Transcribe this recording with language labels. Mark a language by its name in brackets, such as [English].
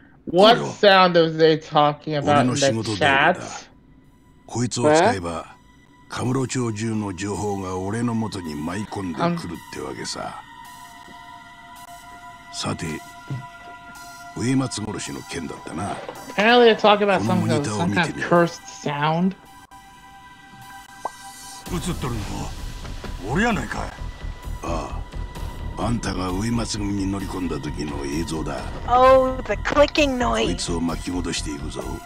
[English] What sound are they talking about in the chat? [Japanese] 俺の仕事だ。こいつを使えば、カムロ町中の情報が俺の元に舞い込んでくるってわけさ。さて、上松殺しの件だったな。 [English] Apparently they're talking about some kind of cursed sound. [Japanese] 映ってるの俺やないかい。ああ、あんたが上松組に乗り込んだ時の映像だ。 [English] Oh, the clicking noise. [Japanese] こいつを巻き戻していくぞ。